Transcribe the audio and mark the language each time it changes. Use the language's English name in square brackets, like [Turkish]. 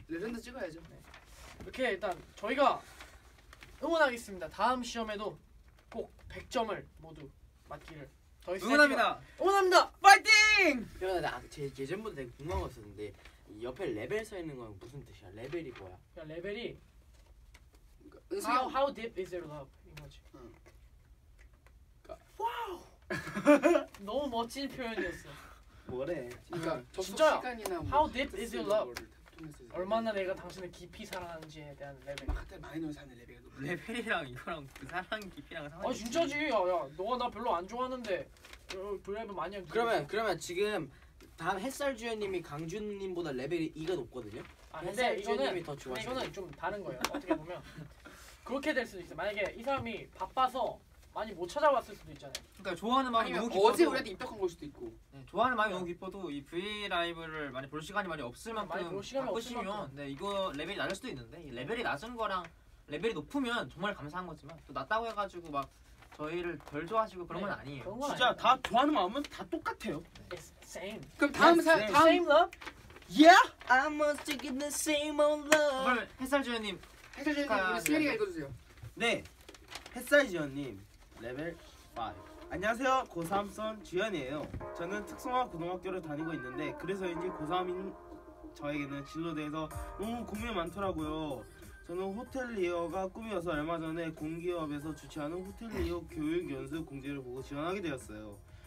[Korean] 레전드 찍어야죠. 네. 이렇게 일단 저희가 응원하겠습니다. 다음 시험에도 꼭 100점을 모두 맞기를 더 응원합니다. 응원합니다. 파이팅! 형아 나 예전부터 되게 궁금한 거 있었는데 옆에 레벨 써 있는 건 무슨 뜻이야? 레벨이 뭐야? 야, 레벨이 그러니까, [English] how deep is your love? [Korean] 인 거지. 그러니까, 와우! 너무 멋진 표현이었어. 뭐래? 그러니까 접속 시간이나 뭐 [English] How deep is your love? [Korean] 얼마나 내가 당신을 깊이 사랑하는지에 대한 레벨. 막 그때 마이너 사는 레벨이 높아. 레벨이랑 이거랑 그 사랑 깊이랑 상관. 아 진짜지. 야, 너가 나 별로 안 좋아하는데 그래도 많이 한. 그러면 지금 다음 햇살 주연님이 강준 님보다 레벨이 2가 높거든요. 아 근데 햇살 주연님이 더 좋아. 이거는 좀 다른 거예요. 어떻게 보면 그렇게 될 수도 있어. 만약에 이 사람이 바빠서 많이 못 찾아왔을 수도 있잖아요. 그러니까 좋아하는 마음이 너무 깊어도 어제 우리한테 입덕한 걸 수도 있고 네, 좋아하는 마음이 너무 깊어도 이 브이라이브를 많이 볼 시간이 많이 없을 만큼 바쁘시면 네, 이거 레벨이 낮을 수도 있는데 레벨이 낮은 거랑 레벨이 높으면 정말 감사한 거지만 또 낮다고 해가지고 막 저희를 덜 좋아하시고 그런 네, 건 아니에요. 그런 건 진짜 아닌데. 다 좋아하는 마음은 다 똑같아요. [English] It's same. [Korean] 그럼 다음 사 [English] yes, [Korean] 다음 [English] same love? Yeah! I must get the same old love. [Korean] 그럼 햇살 주연님 햇살 주연님 우리 슬리가 읽어주세요. 네 햇살 주연님 레벨 5. 안녕하세요. 고3선 주현이에요. 저는 특성화 고등학교를 다니고 있는데 그래서인지 고3인 저에게는 진로에 대해서 너무 고민이 많더라고요. 저는 호텔리어가 꿈이어서 얼마 전에 공기업에서 주최하는 호텔리어 교육연습 공지를 보고 지원하게 되었어요.